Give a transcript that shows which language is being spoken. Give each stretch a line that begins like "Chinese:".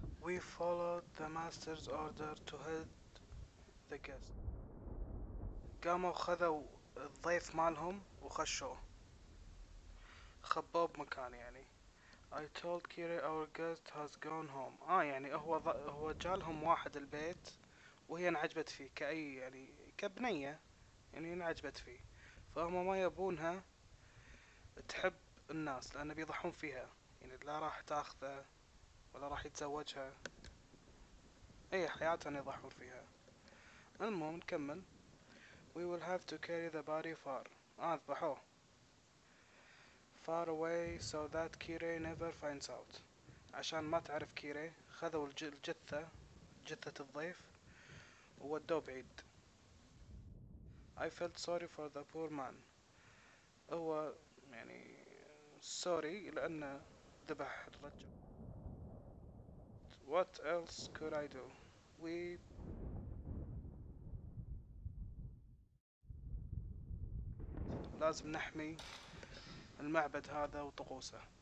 English: We followed the master's order to head the guest.
Arabic: قاموا خذوا الضيف مالهم وخشوه. خبوه بمكان يعني.
English: I told Kiri our guest has gone home.
Arabic: يعني هو جالهم واحد البيت وهي انعجبت فيه كأي يعني كبنية يعني انعجبت فيه. فهم ما يبونها تحب الناس لأن بيضحون فيها. يعني لا راح تاخذه ولا راح يتزوجها. اي حياتها يضحون فيها. المهم نكمل.
English: We will have to carry the body far.
Arabic: اذبحوه.
English: Far away so that Kire never finds out.
Arabic: عشان ما تعرف كيري خذوا الجثة جثة الضيف وودوه بعيد.
English: I felt sorry for the poor man.
Arabic: هو يعني sorry لانه ذبح الرجل.
English: What else could I do?
Arabic: لازم نحمي المعبد هذا وطقوسه.